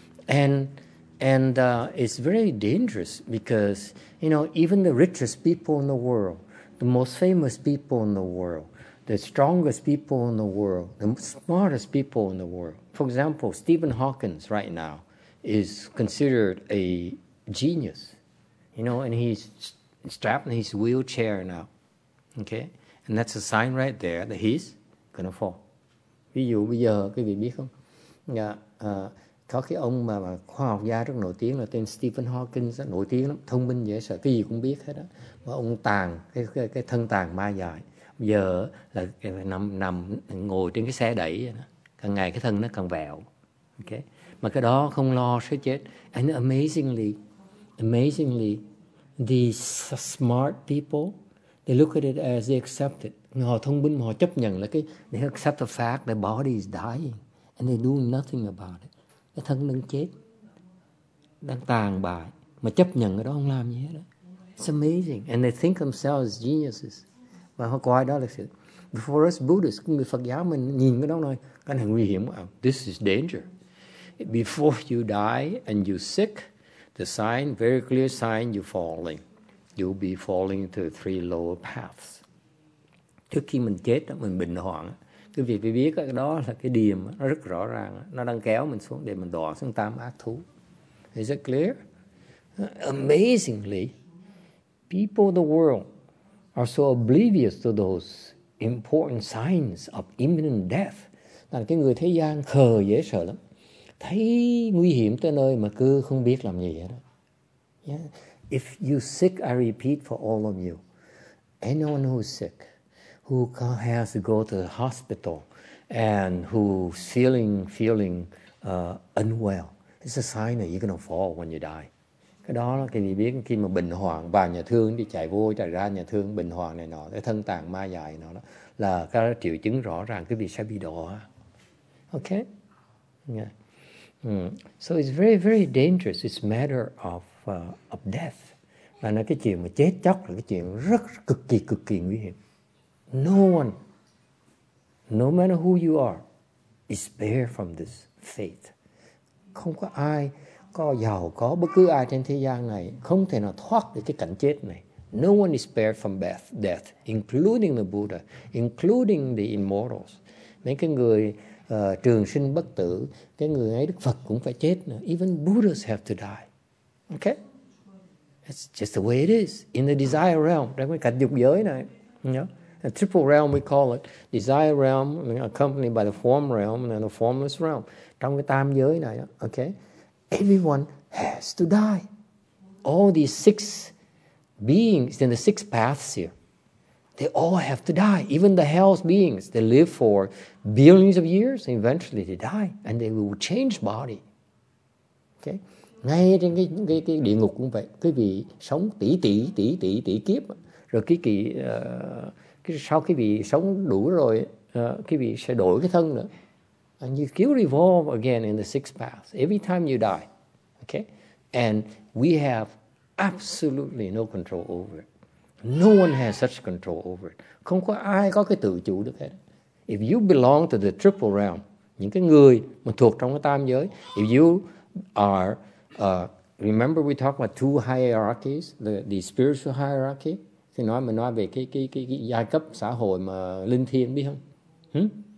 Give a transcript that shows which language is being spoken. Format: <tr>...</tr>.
<en>And it's very dangerous because, you know, even the richest people in the world, the most famous people in the world, the strongest people in the world, the smartest people in the world. For example, Stephen Hawking right now is considered a genius, you know, and he's strapped in his wheelchair now, okay? And that's a sign right there that he's gonna fall.</en> <vi>Ví dụ bây giờ, quý vị biết không? Dạ, có cái ông mà khoa học gia rất nổi tiếng là tên Stephen Hawking, rất nổi tiếng lắm, thông minh dễ sợ, cái gì cũng biết hết đó. Mà ông tàn, cái thân tàn ma dại. Bây giờ là nằm ngồi trên cái xe đẩy vậy đó. Càng ngày cái thân nó càng vẹo. Okay. Mà cái đó không lo sẽ chết.</vi> <en>And amazingly, the smart people, they look at it as they accept it.</en> <vi>Họ thông minh, họ chấp nhận là cái,</vi> <en>they accept the fact their body is dying. And they do nothing about it.</en> <vi>Cái thân đang chết, đang tàn bại. Mà chấp nhận cái đó không làm gì hết.</vi> <en>Đó. It's amazing. And they think themselves as geniuses.</en> <vi>Và họ coi đó là sự.</vi> <en>Before us Buddhists,</en> <vi>người Phật giáo mình nhìn cái đó nói, cái này nguy hiểm.</vi> <en>This is danger. Before you die and you sick, the sign, very clear sign, you're falling. You'll be falling into three lower paths.</en> <vi>Trước khi mình chết, mình bình hoạn. Cái việc phải biết đó là cái điềm nó rất rõ ràng. Nó đang kéo mình xuống để mình đọa xuống tam ác thú.</vi> <en>Is it clear? Amazingly, people of the world are so oblivious to those important signs of imminent death.</en> <vi>Là cái người thế gian khờ dễ sợ lắm. thấy nguy hiểm tới nơi mà cứ không biết làm gì hết đó.</vi> <en>If you're sick, I repeat for all of you, anyone who's sick, who has to go to the hospital and who's feeling unwell, it's a sign that you're gonna fall when you die.</en> <vi>Cái đó là cái gì biết khi mà bình hoàng vào nhà thương đi chạy vô chạy ra nhà thương bình hoàng này nọ cái thân tàn ma dại nọ đó là cái triệu chứng rõ ràng cái vị sẽ bị đỏ.</vi> <en>Okay. Yeah. So it's very very dangerous. It's a matter of death.</en> <vi>Và nó cái chuyện mà chết chóc là cái chuyện rất cực kỳ nguy hiểm.</vi> <en>No one, no matter who you are, is spared from this fate.</en> <vi>Không có ai có giàu có bất cứ ai trên thế gian này không thể nào thoát được cái cảnh chết này.</vi> <en>No one is spared from death, including the Buddha, including the immortals.</en> <vi>Mấy cái người trường sinh bất tử, cái người ấy Đức Phật cũng phải chết nữa.</vi> <en>Even Buddhas have to die. Okay? It's just the way it is in the desire realm,</en> <vi>trong cái cảnh dục giới này.</vi> <en>Yeah. The triple realm we call it, desire realm accompanied by the form realm and the formless realm.</en> <vi>Trong cái tam giới này, okay?</vi> <en>Everyone has to die. All these six beings in the six paths here, they all have to die. Even the hell's beings, they live for billions of years, and eventually they die, and they will change body. Okay?</en> <vi>Ngay trên cái địa ngục cũng vậy. Quý vị sống tỷ tỷ tỷ tỷ tỷ kiếp, rồi cái sau khi vị sống đủ rồi, quý vị sẽ đổi cái thân nữa.</vi> <en>And you still revolve again in the six paths every time you die, okay? And we have absolutely no control over it. No one has such control over it.</en> <vi>Không có ai có cái tự chủ được hết.</vi> <en>If you belong to the triple realm,</en> <vi>những cái người mà thuộc trong cái tam giới,</vi> <en>if you are, remember we talked about two hierarchies, the spiritual hierarchy.</en> <vi>Thì nói mình nói về cái giai cấp xã hội mà linh thiêng biết không?</vi>